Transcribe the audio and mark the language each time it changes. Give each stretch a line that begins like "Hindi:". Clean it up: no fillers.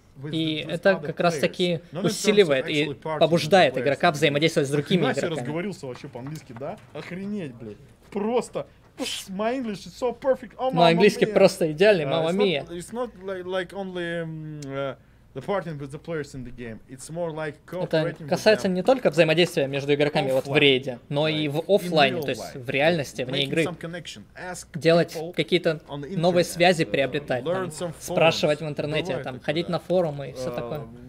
Russian: И это как раз таки усиливает и побуждает игрока взаимодействовать с другими игроками. Я разговорился вообще по-английски, да? Охренеть, блядь. Просто.
English: My English is so perfect. Oh,
Russian: мой английский просто идеальный, мама мия.
English: It's not like only the partying with the players in the game. It's more like cooperating.
Russian: Это касается не только взаимодействия между игроками вот в рейде, но и в офлайне, то есть в реальности, вне игры. Делать какие-то новые связи приобретать, там, спрашивать в интернете, там, ходить на форумы и все такое.